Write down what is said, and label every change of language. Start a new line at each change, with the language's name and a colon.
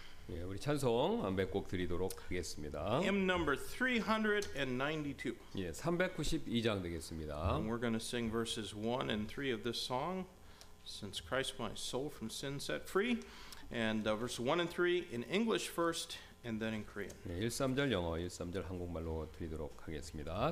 Korean: 예, 우리 찬송 몇 곡 드리도록 하겠습니다.
English: Hymn number 392.
Korean: 예, 392장 되겠습니다.
English: And we're going to sing verses 1 and 3 of this song, Since Christ My Soul from Sin Set Free. And verse 1 and 3 in English first, and then in Korean.
Korean: 네, 1-3절 영어, 1-3절 한국말로 드리도록 하겠습니다.